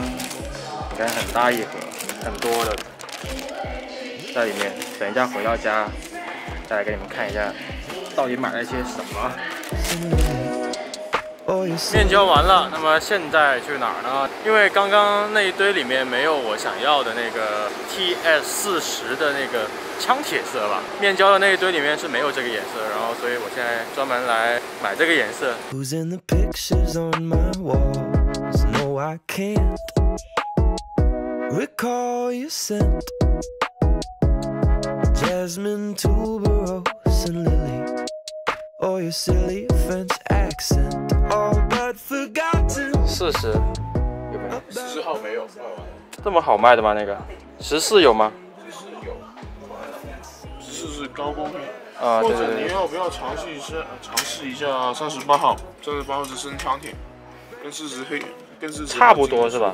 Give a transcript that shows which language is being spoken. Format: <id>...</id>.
<zh>你看很大一盒，很多的在里面，等一下回到家再来给你们看一下到底买了些什么。面交完了，那么现在去哪儿呢？因为刚刚那一堆里面没有我想要的那个 TS40 的那个枪铁色吧，面交的那一堆里面是没有这个颜色，然后所以我现在专门来买这个颜色。</zh> <en>Who's in the pictures on my walls? No, I can't recall your scent. Jasmine, tuberose, and lily, or your silly French accent, all but forgotten.</en> <zh>四十，有没有？ 14号没有，卖完了。这么好卖的吗？那个14有吗？是高光品，或者你要不要尝试一下？尝试一下38号，38号是深枪铁，跟40黑，跟40 差不多是吧？</zh>